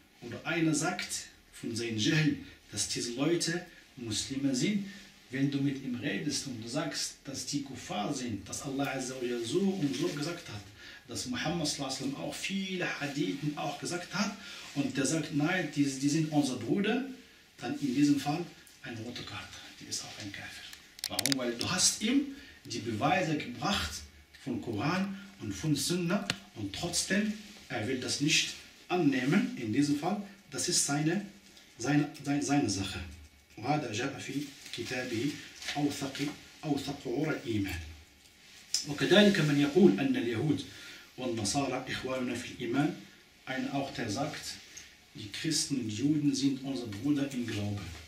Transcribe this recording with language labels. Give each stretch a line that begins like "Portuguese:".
German: Oder einer sagt von seinen Jahl, dass diese Leute Muslime sind, wenn du mit ihm redest und du sagst, dass die Kuffar sind, dass Allah Azza wa Jalla so und so gesagt hat, dass Muhammad sallallahu alaihi wasallam auch viele Hadithen auch gesagt hat und der sagt, nein, die sind unser Bruder, dann in diesem Fall ein roter Karte. Die ist auch ein Kafir. Warum? Weil du hast ihm die Beweise gebracht von Koran und von Sunna und trotzdem er will das nicht annehmen. In diesem Fall, das ist seine Sache.
Arabic: وهذا جاء في كتابه أوثق عور الإيمان. وكذلك من يقول أن اليهود والنصارى إخواننا في الإيمان.
German: Ein auch der sagt, die Christen und Juden sind unser Bruder im Glauben.